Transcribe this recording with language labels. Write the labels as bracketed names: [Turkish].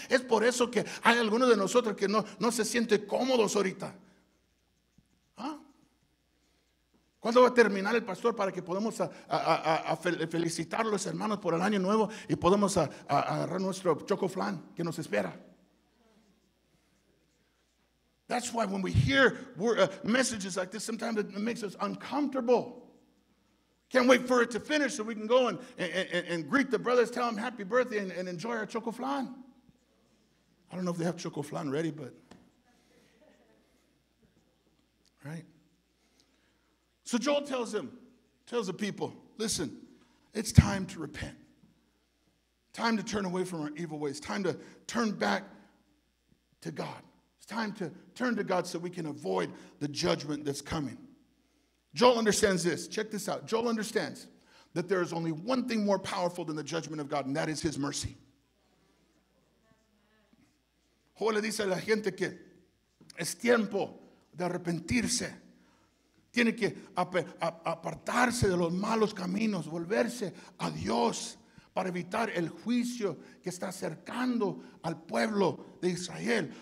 [Spanish] Es por eso que hay algunos de nosotros que no se sienten cómodos ahorita. ¿Ah? ¿Cuándo va a terminar el pastor para que podamos felicitar a los hermanos por el año nuevo y podamos agarrar nuestro chocoflan que nos espera? [English] That's why when we hear messages like this, sometimes it makes us uncomfortable. Can't wait for it to finish so we can go and greet the brothers, tell them happy birthday, and enjoy our choco flan. I don't know if they have choco flan ready, but. Right? So Joel tells the people, listen, it's time to repent. Time to turn away from our evil ways. Time to turn back to God. It's time to turn to God so we can avoid the judgment that's coming. Joel understands this. Check this out. Joel understands that there is only one thing more powerful than the judgment of God, and that is his mercy. [Spanish] Joel le dice a la gente que es tiempo de arrepentirse. Tiene que apartarse de los malos caminos, volverse a Dios para evitar el juicio que está acercando al pueblo de Israel.